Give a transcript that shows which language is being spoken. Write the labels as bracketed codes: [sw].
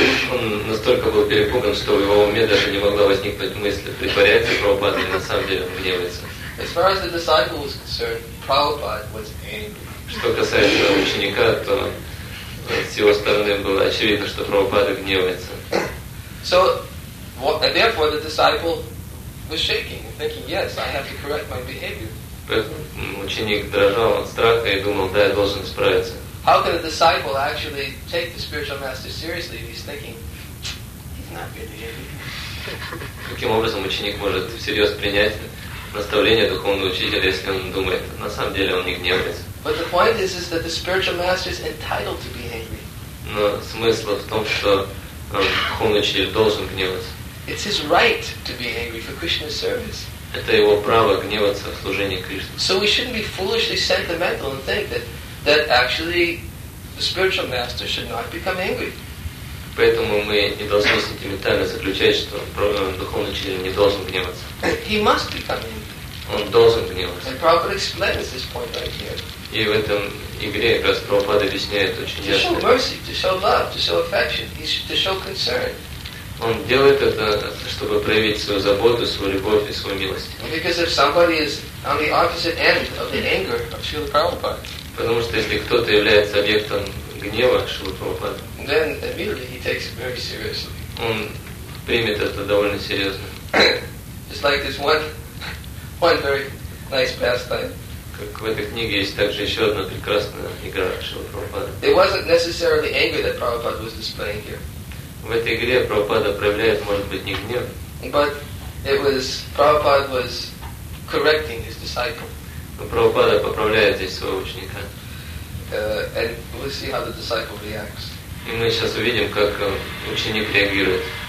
[ru] Он настолько был перепуган, что в его уме даже не могла возникнуть мысль, притворяется Прабхупада или на самом деле он гневается. [en] As far as the disciple was concerned, Prabhupada was angry. [ru] Что касается ученика, то с его стороны было очевидно, что Прабхупада гневается. [en] So, and therefore the disciple was shaking, thinking, yes, I have to correct my behavior. [ru] Ученик дрожал от страха и думал, да, я должен справиться. [en] How can a disciple actually take the spiritual master seriously if he's thinking, he's not really angry? [ru] Каким образом ученик может всерьез принять наставление духовного учителя, если он думает, на самом деле он не гневается? [en] But the point is that the spiritual master is entitled to be angry. [ru] Но смысл в том, что духовный учитель должен гневаться. [en] It's his right to be angry for Krishna's service. [ru] Это его право гневаться в служении Кришне. [en] So we shouldn't be foolishly sentimental and think that actually the spiritual master should not become angry. [ru] Поэтому мы не должны сентиментально заключать, что духовный учитель не должен гневаться. [en] He must become angry. [ru] Он должен гневаться. [en] And Prabhupada explains this point right here. [ru] И в этом игре как раз Прабхупада объясняет очень ясно. [en] To show mercy, to show love, to show affection, to show concern. [ru] Он делает это, чтобы проявить свою заботу, свою любовь и свою милость. [en] Because if somebody is on the opposite end of the anger of Srila Prabhupada. [ru] Потому что если кто-то является объектом гнева Шрилы Прабхупады. [en] Then immediately he takes it very seriously. [ru] Он примет это довольно серьезно. [en] Just like this one very nice pastime. [ru] Как в этой книге есть также еще одна прекрасная игра Шрилы Прабхупады. [en] It wasn't necessarily anger that Prabhupada was displaying here. [ru] В этой игре Прабхупада проявляет, может быть, не гнев. [en] But it was Prabhupada was correcting his disciple. [ru] Но Прабхупада поправляет здесь своего ученика. [en] And we'll see how the disciple reacts. [ru] И мы сейчас увидим, как ученик реагирует.